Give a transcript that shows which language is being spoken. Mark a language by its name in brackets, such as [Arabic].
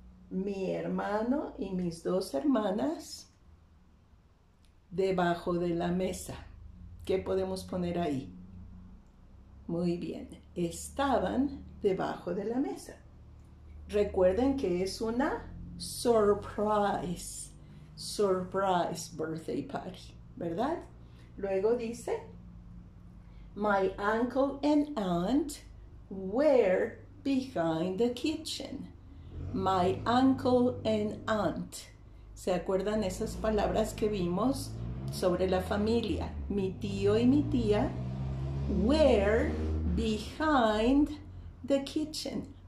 [Spanish] Mi hermano y mis dos hermanas debajo de la mesa. ¿Qué podemos poner ahí? Muy bien, estaban debajo de la mesa. Recuerden que es una surprise, surprise birthday party, ¿verdad? Luego dice, [English] my uncle and aunt were behind the kitchen. My uncle and aunt. [Spanish] ¿Se acuerdan esas palabras que vimos sobre la familia? Mi tío y mi tía [English] were behind the kitchen.